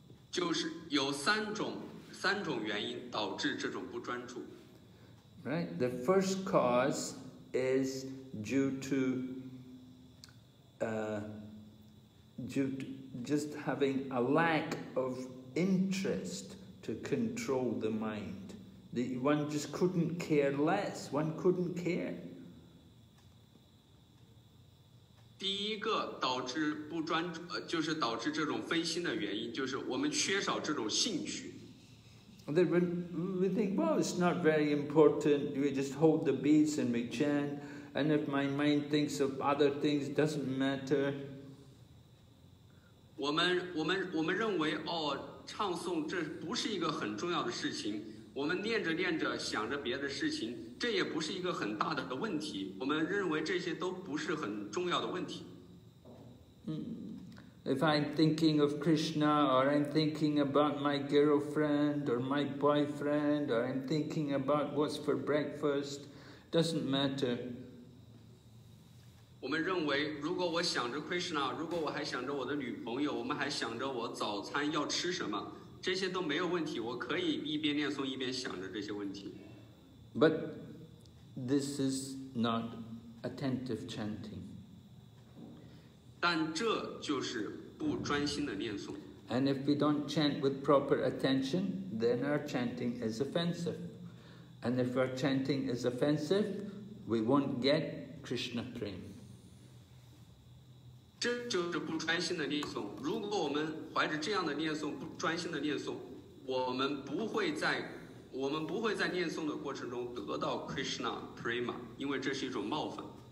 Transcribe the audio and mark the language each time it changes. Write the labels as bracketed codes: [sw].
[zh] 就是有三种原因导致这种不专注。 [en] Right, the first cause is due to just having a lack of interest to control the mind. One just couldn't care less. One couldn't care. [zh] 第一个导致不专注，就是导致这种分心的原因，就是我们缺少这种兴趣。 [en] We think, well, it's not very important. We just hold the beads and we chant. And if my mind thinks of other things, it doesn't matter. [zh] 我们认为哦，唱诵这不是一个很重要的事情，我们念着念着想着别的事情，这也不是一个很大的问题，我们认为这些都不是很重要的问题。 [en] If I'm thinking of Krishna, or I'm thinking about my girlfriend, or my boyfriend, or I'm thinking about what's for breakfast, doesn't matter. [zh] 我们认为如果我想着 Krishna, 如果我还想着我的女朋友，我们还想着我早餐要吃什么，这些都没有问题，我可以一边念诵一边想着这些问题。 [en] But this is not attentive chanting. [zh] 但这就是不专心的念诵。 [en] And if we don't chant with proper attention, then our chanting is offensive. And if our chanting is offensive, we won't get Krishna Prem. [zh] 这就是不专心的念诵。如果我们怀着这样的念诵，不专心的念诵，我们不会在念诵的过程中得到 Krishna Prema， 因为这是一种冒犯。